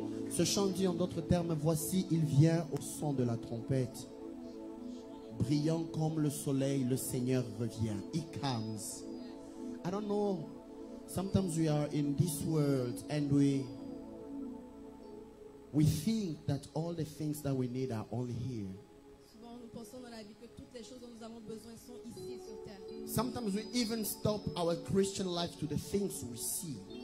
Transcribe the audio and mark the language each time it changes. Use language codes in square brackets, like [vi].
[fr] Ce chant dit en d'autres termes, voici il vient au son de la trompette, brillant comme le soleil, le Seigneur revient. [en] He comes. I don't know, sometimes we are in this world and we think that all the things that we need are only here. [fr] Souvent nous pensons dans la vie que toutes les choses dont nous avons besoin sont ici sur terre. [en] Sometimes we even stop our Christian life to the things we see.